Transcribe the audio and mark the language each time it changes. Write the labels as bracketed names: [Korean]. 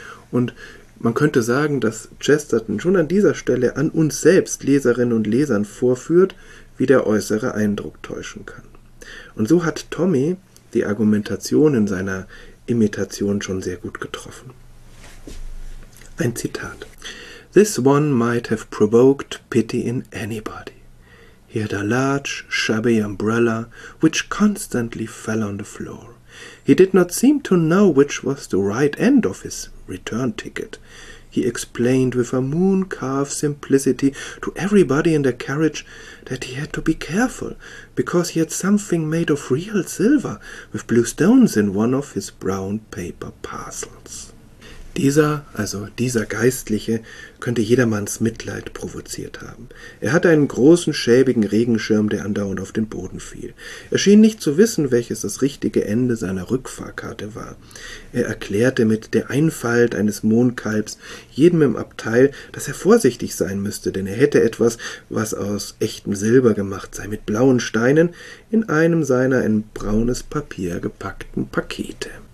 [German] Und man könnte sagen, dass Chesterton schon an dieser Stelle an uns selbst, Leserinnen und Lesern, vorführt, wie der äußere Eindruck täuschen kann. Und so hat Tommy die Argumentation in seiner Imitation schon sehr gut getroffen. Ein Zitat. [English] This one might have provoked pity in anybody. He had a large, shabby umbrella, which constantly fell on the floor. He did not seem to know which was the right end of his return ticket. He explained with a moon-calf simplicity to everybody in the carriage that he had to be careful, because he had something made of real silver with blue stones in one of his brown paper parcels. [German] Dieser Geistliche könnte jedermanns Mitleid provoziert haben. Er hatte einen großen, schäbigen Regenschirm, der andauernd auf den Boden fiel. Er schien nicht zu wissen, welches das richtige Ende seiner Rückfahrkarte war. Er erklärte mit der Einfalt eines Mondkalbs jedem im Abteil, dass er vorsichtig sein müsste, denn er hätte etwas, was aus echtem Silber gemacht sei, mit blauen Steinen, in einem seiner in braunes Papier gepackten Pakete.